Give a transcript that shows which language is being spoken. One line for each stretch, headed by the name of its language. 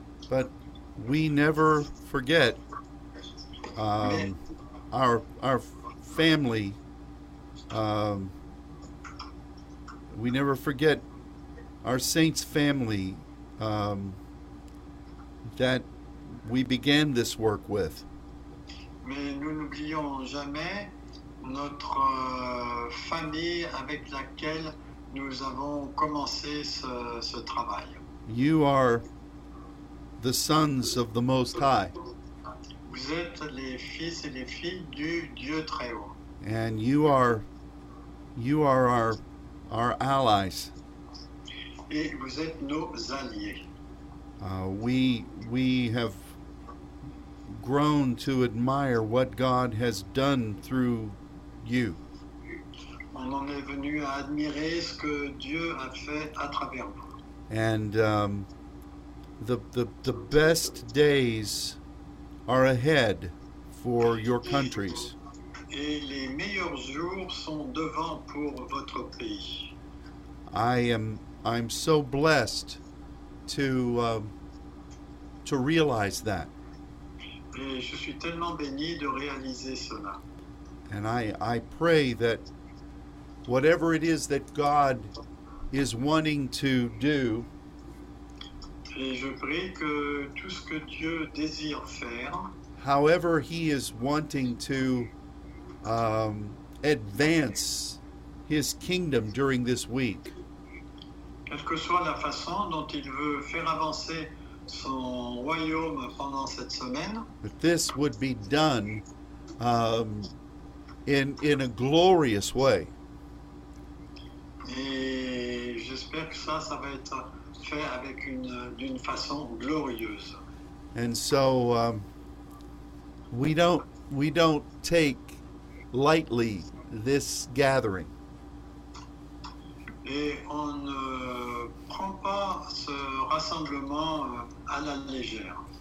English: But we never forget our family. We never forget our saints' family that we began this work with.
French: Mais nous n'oublions jamais notre famille avec laquelle nous avons commencé ce travail.
English: You are the sons of the Most High.
French: Vous êtes les fils et les filles du Dieu très haut.
English: And you are our allies.
French: Et vous êtes nos alliés.
English: We have grown to admire what God has done through you.
French: On en est venu à admirer ce que Dieu a fait à travers vous.
English: And the best days are ahead for your countries.
French: Et les meilleurs jours sont devant pour votre pays.
English: I'm so blessed to realize that.
French: Et je suis tellement béni de réaliser cela.
English: And I pray that whatever it is that God is wanting to do,
French: et je prie que tout ce que Dieu désire faire,
English: however he is wanting to advance his kingdom during this week,
French: quelle que soit la façon dont il veut faire avancer son royaume pendant cette semaine,
English: that this would be done in a glorious way.
French: Et j'espère que ça va être fait avec d'une façon glorieuse.
English: And so we don't take lightly this gathering.
French: Et on ne prend pas ce rassemblement à la légère.